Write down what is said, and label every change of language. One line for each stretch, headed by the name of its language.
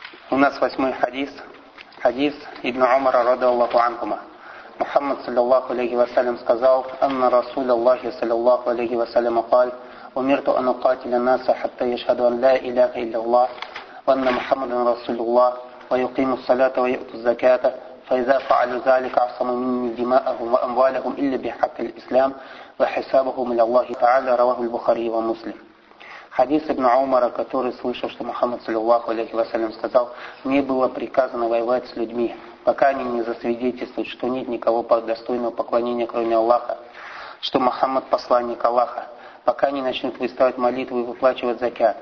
Russian: У нас восьмой хадис. Хадис ибн Умара радиаллаху анхума.
Arabic: Мухаммад саллаллаху алейхи ва саллям
Russian: сказал:
Arabic: "Анна расулиллахи саллаллаху алейхи ва саллям каль: "Умирту ан укатиля ан-наса хатта йашхаду ан ля иляха илляллах ва анна Мухаммадан расулиллах ва йуқиму ас-салата ва йу'ту ас-заката". فإذا فعلوا ذلك عصموا مني دماءهم وأموالهم إلا بحق الإسلام وحسابهم لله تعالى رواه البخاري ومسلم.
Russian: Хадис ибн Умара, который слышал, что Мухаммад саллаллаху алейхи ва саллям сказал: "Не было приказано воевать с людьми, пока они не засвидетельствуют, что нет никого достойного поклонения, кроме Аллаха, что Мухаммад посланник Аллаха, пока они начнут выставлять молитвы и выплачивать закят.